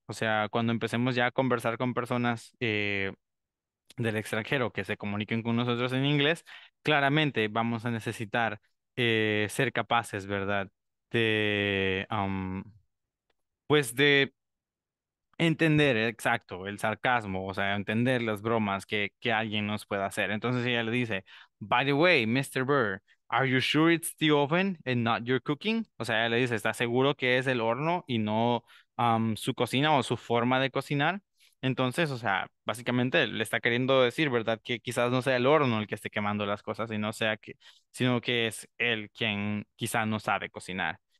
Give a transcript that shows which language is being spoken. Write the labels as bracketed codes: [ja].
[es] O sea, cuando empecemos ya a conversar con personas del extranjero que se comuniquen con nosotros en inglés, claramente vamos a necesitar ser capaces, ¿verdad?, de pues de entender, exacto, el sarcasmo, o sea, entender las bromas que alguien nos pueda hacer. Entonces ella le dice, [en] by the way, Mr. Burr, are you sure it's the oven and not your cooking? [es] O sea, ella le dice, ¿estás seguro que es el horno y no su cocina o su forma de cocinar? Entonces, o sea, básicamente le está queriendo decir, ¿verdad?, que quizás no sea el horno el que esté quemando las cosas, sino que es él quien quizás no sabe cocinar.